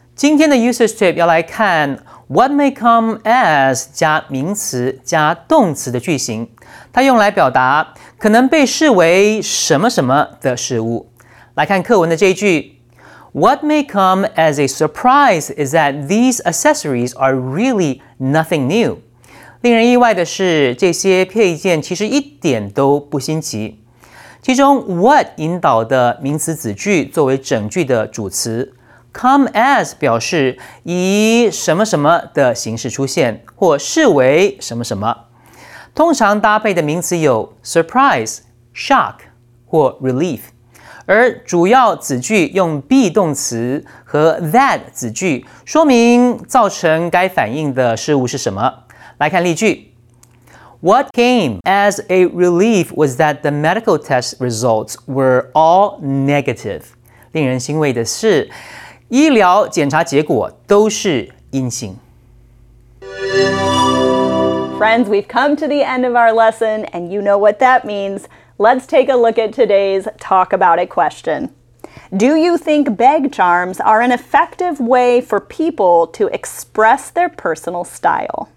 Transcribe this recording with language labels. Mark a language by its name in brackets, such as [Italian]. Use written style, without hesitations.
[Chinese] 今天的 usage tip 要来看 [English] what may come as [Chinese] 加名词加动词的句型，它用来表达可能被视为什么什么的事物。来看课文的这一句， [English] What may come as a surprise is that these accessories are really nothing new. [Chinese] 令人意外的是，这些配件其实一点都不新奇。其中 what 引导的名词子句作为整句的主词， come as 表示以什么什么的形式出现，或视为什么什么。通常搭配的名词有 surprise, shock 或 relief， 而主要子句用 be 动词和 that 子句说明造成该反应的事物是什么。来看例句， [English] What came as a relief was that the medical test results were all negative. [Chinese] 令人欣慰的是，医疗检查结果都是阴性。 [English] Friends, we've come to the end of our lesson, and you know what that means. Let's take a look at today's talk about it question. Do you think bag charms are an effective way for people to express their personal style?